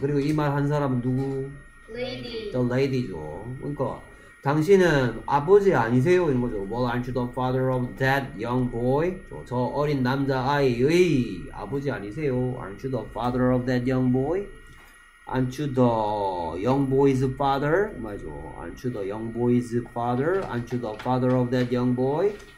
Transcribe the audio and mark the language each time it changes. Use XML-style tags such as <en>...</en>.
<ko>그리고 이 말 한 사람은 누구?</ko> <en>Lady. The lady죠.</en> <ko>그러니까 당신은 아버지 아니세요? 이런 거죠.</ko> <en>Well, aren't you the father of that young boy?</en> <ko>저 어린 남자아이의 아버지 아니세요?</ko> <en>Aren't you the father of that young boy? Aren't you the young boy's father?</en> <ko>맞아.</ko> <en>Aren't you the young boy's father? Aren't you the father of that young boy?</en>